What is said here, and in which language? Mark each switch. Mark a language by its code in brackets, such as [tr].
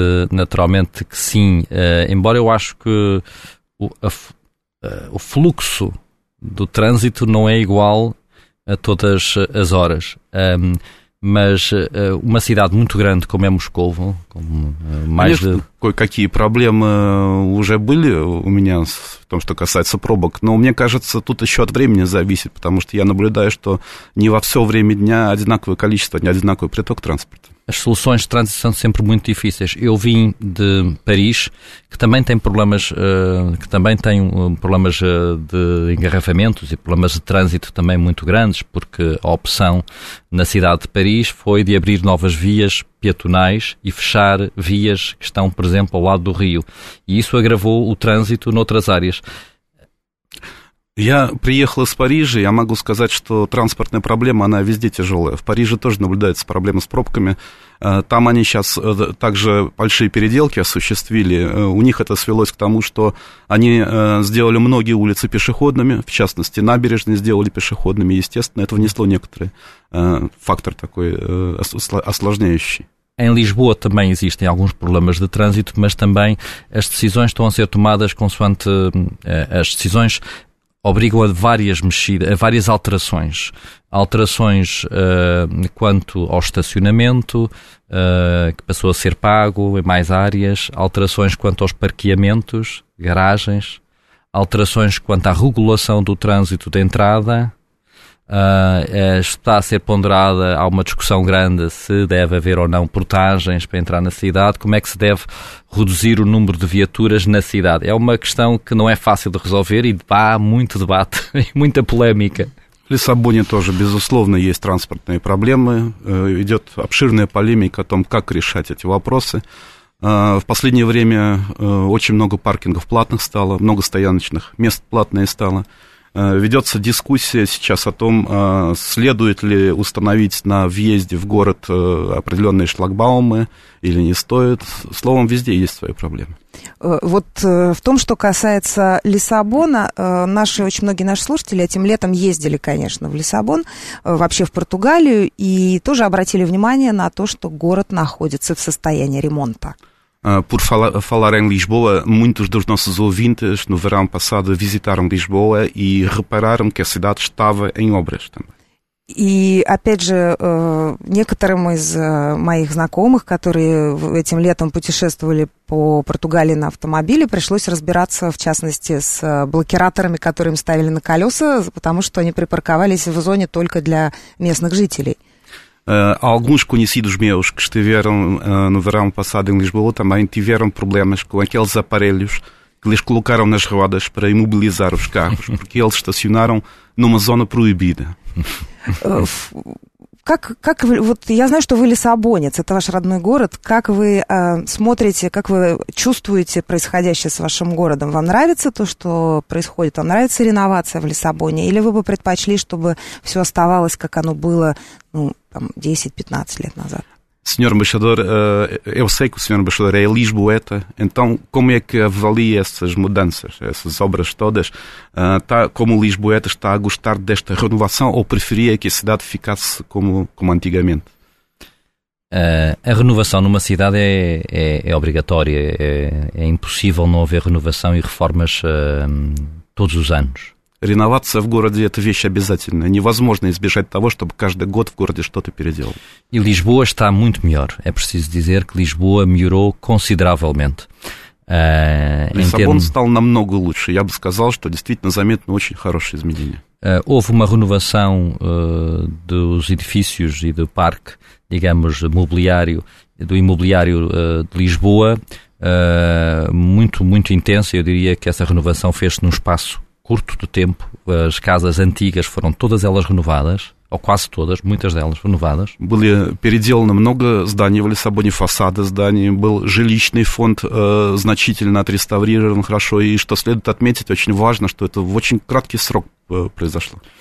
[pt] Naturalmente que sim, embora eu acho que o fluxo do trânsito não é igual a todas as horas, mas uma cidade muito grande como é Moscovo, como mais de... [ru] Кое-какие проблемы уже были у меня в том, что касается пробок, но мне кажется, тут еще от времени зависит, потому что я наблюдаю, что не во все время дня одинаковое количество, не одинаковый приток транспорта. [pt] as soluções de trânsito são sempre muito difíceis. Eu vim de Paris, que também tem problemas, de engarrafamentos e problemas de trânsito também muito grandes, porque a opção na cidade de Paris foi de abrir novas vias peatonais e fechar vias que estão, por exemplo, ao lado do rio. E isso agravou o trânsito noutras áreas. [ru] Я приехал из Парижа, я могу сказать, что транспортная проблема, она везде тяжелая. В Париже тоже наблюдается проблема с пробками. Там они сейчас также большие переделки осуществили. У них это свелось к тому, что они сделали многие улицы пешеходными, в частности, набережные сделали пешеходными. Естественно, это внесло некоторый фактор такой осложняющий. [pt] Em Lisboa também existem alguns problemas de trânsito, mas também as decisões estão a ser tomadas consoante as decisões obrigam a várias mexidas, a várias alterações. Alterações quanto ao estacionamento, que passou a ser pago em mais áreas, alterações quanto aos parqueamentos, garagens, alterações quanto à regulação do trânsito de entrada. Está a ser ponderada, há uma discussão grande se deve haver ou não portagens para entrar na cidade, como é que se deve reduzir o número de viaturas na cidade. É uma questão que não é fácil de resolver e há muito debate e muita polémica. [ru] В Лиссабоне тоже, безусловно, есть транспортные проблемы. Идет обширная полемика о том, как решать эти вопросы. В последнее время очень много паркингов платных стало, много стояночных мест платные стало. Ведется дискуссия сейчас о том, следует ли установить на въезде в город определенные шлагбаумы или не стоит. Словом, везде есть свои проблемы. Вот в том, что касается Лиссабона, наши, очень многие наши слушатели этим летом ездили, конечно, в Лиссабон, вообще в Португалию, и тоже обратили внимание на то, что город находится в состоянии ремонта. [pt] Por falar em Lisboa, muitos dos nossos ouvintes no verão passado visitaram Lisboa e repararam que a cidade estava em obras também. [ru] И опять же, некоторым из моих знакомых, которые этим летом путешествовали по Португалии на автомобиле, пришлось разбираться, в частности, с блокираторами, которые им ставили на колеса, потому что они припарковались в зоне только для местных жителей. [pt] Alguns conhecidos meus que estiveram no verão passado em Lisboa também tiveram problemas com aqueles aparelhos que lhes colocaram nas rodas para imobilizar os carros, porque eles estacionaram numa zona proibida. [ru] Как вот я знаю, что вы лиссабонец, это ваш родной город. Как вы смотрите, как вы чувствуете происходящее с вашим городом? Вам нравится то, что происходит? Вам нравится реновация в Лиссабоне? Или вы бы предпочли, чтобы все оставалось, как оно было, ну, там, 10-15 лет назад? [pt] Senhor embaixador, eu sei que o senhor embaixador é lisboeta, então como é que avalia essas mudanças, essas obras todas? Tá, como lisboeta está a gostar desta renovação ou preferia que a cidade ficasse como antigamente? A renovação numa cidade é obrigatória, é impossível não haver renovação e reformas todos os anos. [ru] Реноваться в городе – это вещь обязательная. Невозможно избежать того, чтобы каждый год в городе что-то переделали. [pt] И Лисбоа está muito melhor. É preciso dizer que Lisboa melhorou consideravelmente. [ru] Лиссабон стал намного лучше. Я бы сказал, что действительно заметно очень хорошее изменение. [pt] Houve uma renovação dos edifícios e do parque, digamos, mobiliário, do imobiliário de Lisboa, muito, muito intensa. Eu diria que essa renovação fez-se num espaço curto de tempo, as casas antigas foram todas elas renovadas, ou quase todas, muitas delas renovadas. [ru] Были переделаны много зданий в Лиссабоне, фасады зданий, был жилищный фонд значительно отреставрирован, хорошо, и что следует отметить, очень важно, что это в очень краткий срок произошло.